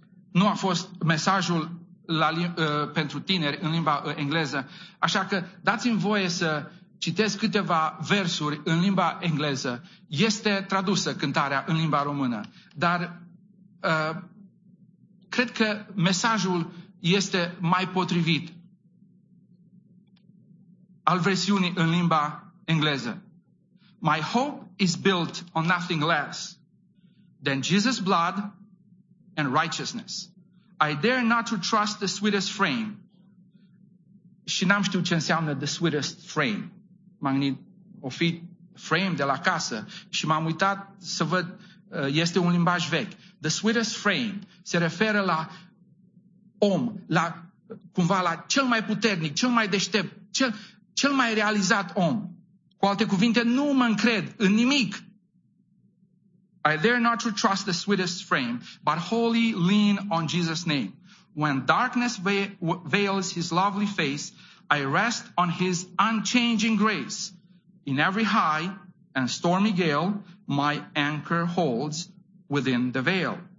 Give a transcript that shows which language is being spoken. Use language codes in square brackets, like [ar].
[ro] Nu a fost mesajul pentru tineri în limba engleză, așa că dați-mi voie să citesc câteva versuri în limba engleză. Este tradusă cântarea în limba română, dar cred că mesajul este mai potrivit al versiunii în limba engleză. [en] My hope is built on nothing less than Jesus' blood and righteousness. I dare not to trust the sweetest frame. [ro] Și n-am știut ce înseamnă [en] the sweetest frame. [ro] M-am gândit, o fi frame de la casă. Și m-am uitat să văd, este un limbaj vechi. [en] The sweetest frame [ro] se referă la om, la cumva la cel mai puternic, cel mai deștept, cel mai realizat om. Cu alte cuvinte, nu mă încred în nimic. [en] I dare not to trust the sweetest frame, but wholly lean on Jesus' name. When darkness veils his lovely face, I rest on his unchanging grace. In every high and stormy gale, my anchor holds within the veil.